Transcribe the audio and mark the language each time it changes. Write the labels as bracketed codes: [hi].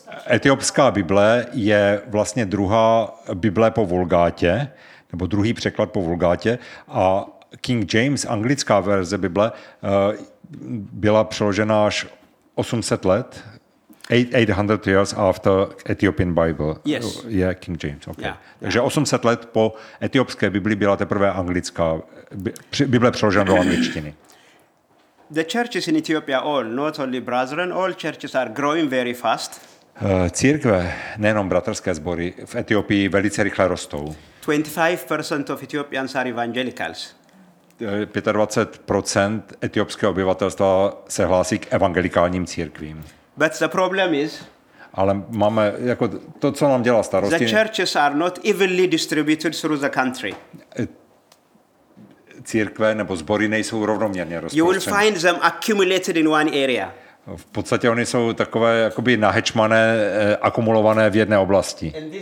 [cs] Etiopská Bible je vlastně druhá Bible po Vulgátě, nebo druhý překlad po Vulgátě, a King James, anglická verze Bible, byla přeložena až 800 let. [en] 800 years after Ethiopian Bible. Yes. [cs] Je King James, okay. [en] Yeah. [cs] Takže 800 let po etiopské Biblii byla teprve anglická Bible přeložena do angličtiny. [en] the churches in Ethiopia, all, not only brethren, all churches are growing very fast. [cs] Církve, nejenom bratrské sbory, v Etiopii velice rychle rostou. [en] 25% of Ethiopians are evangelicals. [cs] 25% etiopského obyvatelstva se hlásí k evangelikálním církvím. [en] But the problem is, [cs] ale máme, jako to, co nám dělá starosti, [en] the churches are not evenly distributed through the country. [cs] Církve nebo sbory nejsou rovnoměrně rozprostřeny. [en] You will find them accumulated in one area. [cs] V podstatě oni jsou takové jakoby nahečmané, akumulované v jedné oblasti.